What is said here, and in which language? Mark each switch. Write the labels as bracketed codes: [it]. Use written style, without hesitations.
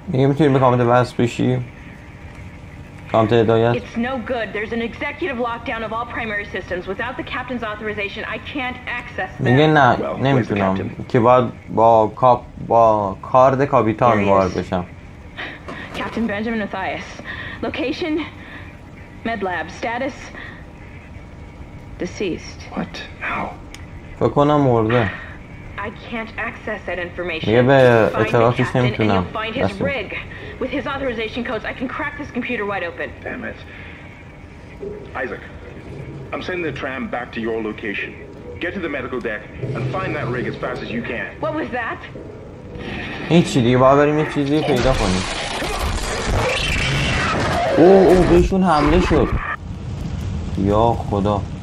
[fa] میگه میتونی به کامپیوتر وصل بشی؟ کامپیوتر هدایت. [en] It's no good. There's an executive lockdown of all primary systems. Without the captain's authorization, I can't access them. [fa] میگه نه، نمیتونم. که باید با کارت کاپیتان وارد بشم. [en] Captain Benjamin Mathias. Location: Med Lab. Status: Deceased. What? How? [fa] فکر کنم مرده. [en] I can't access that information. Find the captain and you'll find his rig. With his authorization codes, I can crack this computer wide open. Damn it. Isaac, I'm sending the tram back to your location. Get to the medical deck and find that rig as fast as you can. What was that? [fa] هیچی دیگه، باید بریم یک چیزی پیدا کنیم. اوه بهشون حمله شد. یا خدا.